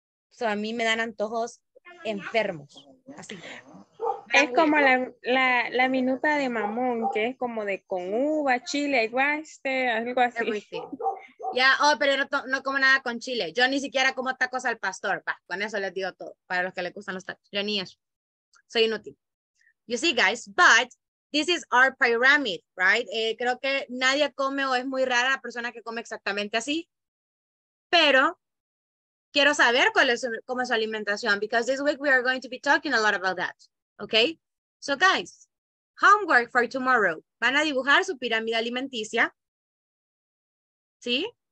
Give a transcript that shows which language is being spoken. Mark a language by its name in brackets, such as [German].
[Spanish] So, a mí me dan antojos enfermos. Así. Es como la minuta de mamón, que es como de con uva, chile, alguaste, algo así. Ya, pero yo no como nada con chile. Yo ni siquiera como tacos al pastor. Va, con eso les digo todo, para los que les gustan los tacos. Yo ni eso. Soy inútil. [English] You see, guys, but this is our pyramid, right? [Spanish] Creo que nadie come o es muy rara la persona que come exactamente así. Pero quiero saber cómo es su alimentación, [English] because this week we are going to be talking a lot about that, okay? So, guys, homework for tomorrow. [Spanish] Van a dibujar su pirámide alimenticia. ¿Sí?